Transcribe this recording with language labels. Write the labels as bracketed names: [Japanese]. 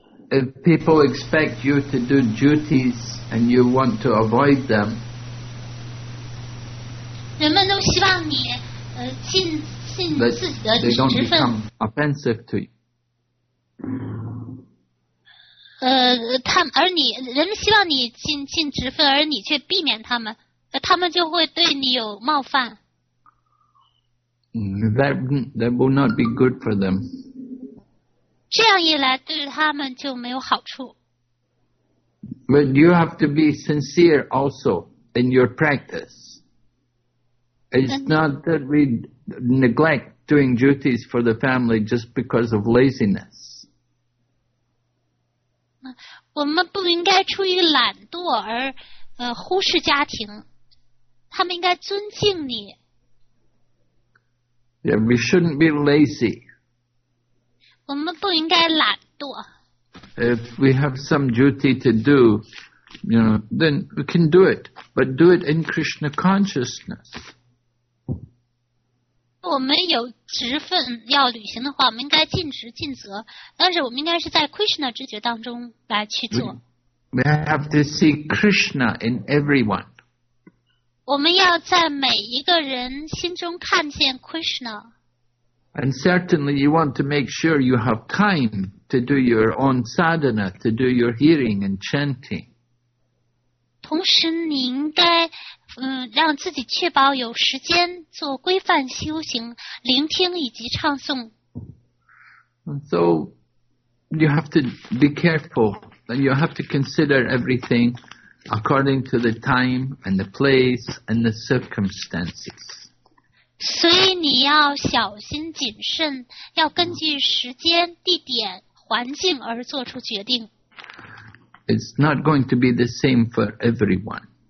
[English] If people expect you to do duties and you want to avoid them. [Chinese] 人们都希望你尽自己的职分。 [English] They don't become offensive to you. [Chinese] 人们希望你尽职分，而你却避免他们，他们就会对你有冒犯。 [English] That will not be good for them. [Chinese] 这样一来，对他们就没有好处。 [English] But you have to be sincere also in your practice. It's not that we neglect doing duties for the family just because of laziness. [Chinese] 我们不应该出于懒惰而忽视家庭，他们应该尊敬你。 [English] Yeah, we shouldn't be lazy. [Chinese] 我们不应该懒惰。 [English] If we have some duty to do, you know, then we can do it, but do it in Krishna consciousness. [Chinese] 我们有职分要履行的话，我们应该尽职尽责，但是我们应该是在 Krishna 直觉当中来去做。 [English] We have to see Krishna in everyone. [Chinese] 我们要在每一个人心中看见 Krishna. [English] And certainly you want to make sure you have time to do your own sadhana, to do your hearing and chanting. [Chinese] 同时你应该让自己确保有时间做规范修行聆听以及唱诵。 [English] So, you have to be careful and you have to consider everything according to the time and the place and the circumstances. [Chinese] 所以你要小心谨慎，要根据时间、地点、环境而做出决定。 [English] It's not going to be the same for everyone.